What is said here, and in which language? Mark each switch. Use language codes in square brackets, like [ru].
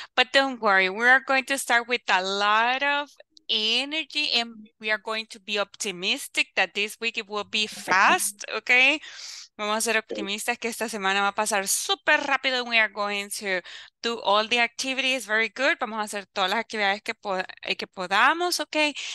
[en] But don't worry, we are going to start with a lot of energy and we are going to be optimistic that this week it will be fast, okay? [es] Vamos a ser optimistas que esta semana va a pasar súper rápido. [en] We are going to do all the activities very good. [es] Vamos a hacer todas las actividades que podamos, okay?